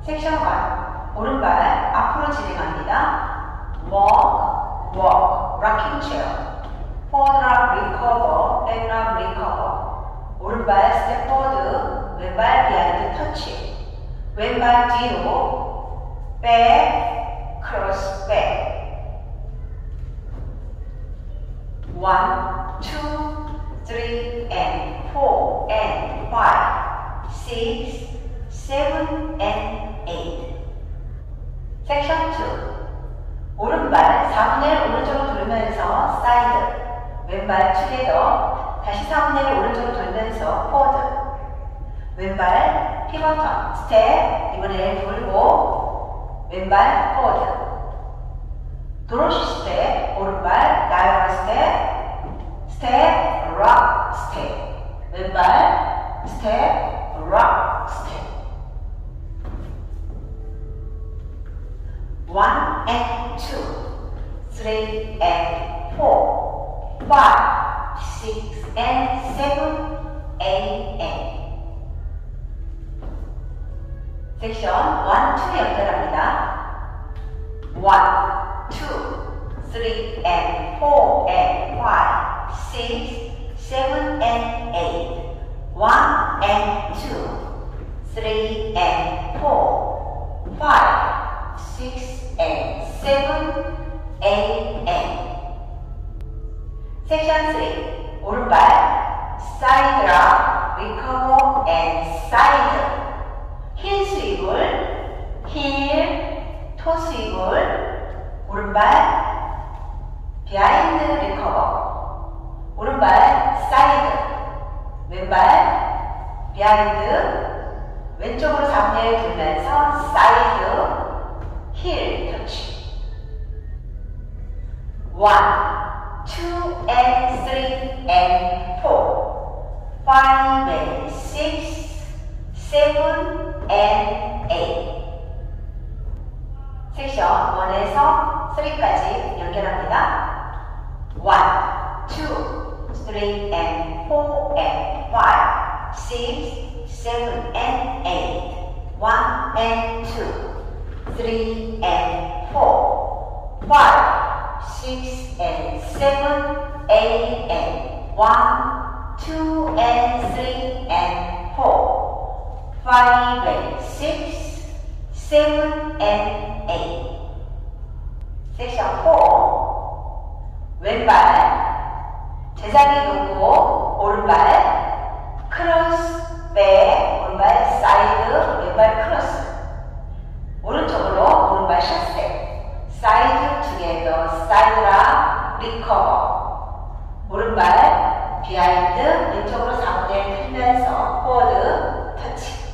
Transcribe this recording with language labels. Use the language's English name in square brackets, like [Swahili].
[Korean] 시작할 오른발 앞으로 진행합니다. [English] Walk, walk, rocking chair. Forward up, recover, back up, recover. 오른발 step forward, [Korean] 왼발 behind touch. [English] 왼발 뒤로, back, cross back. One, two, three, and four, and five, six, seven, and eight. Section two. [Korean] 오른발 4분의 1 오른쪽으로 돌면서 side. 왼발 together. 다시 4분의 1 오른쪽으로 돌면서 forward. [English] 왼발 pivot turn. Step. [Korean] 이번에 돌고 왼발 forward. [English] Draw step. 오른발 diagonal step. Step, rock, step. 왼발, step, rock, step. One and two, three and four, five, six and seven, eight and. Section one, two [Korean] 연결합니다. [English] One, two, three and four and five. Six, seven, and eight. One and two, three and four, five, six and seven, eight and. Section three. 오른발 side drop, recover and side. [Korean] 힐 스윙을 힐 토 스윙을 오른발 [English] behind recover. [Korean] 오른발 사이드, 왼발 비하인드, 왼쪽으로 4분의 1 돌면서 사이드, 힐 터치. [English] 1, 2, and 3, and 4, 5, and 6, 7, and 8. [Korean] 섹션 1에서 3까지 연결합니다. [English] 1, 2, 3 and 4 and 5, 6, 7 and 8, 1 and 2, 3 and 4, 5, 6 and 7, 8 and 1, 2 and 3 and 4, 5 and 6, 7 and 8. [Korean] Section 4, 왼발 제자리 놓고 오른발 크로스 백 오른발 사이드 왼발 크로스 오른쪽으로 오른발 샷세 사이드 투게더 사이드라 리커버 오른발 비하인드 왼쪽으로 4분의 1 틀면서 포워드 터치